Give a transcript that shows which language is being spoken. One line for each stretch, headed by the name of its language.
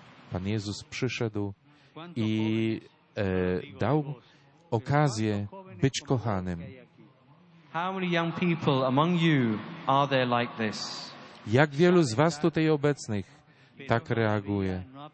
Polish: Pan Jezus przyszedł i dał okazję być kochanym.
English: How many young people among you are there like this?
Polish: Jak wielu z was tutaj obecnych tak reaguje?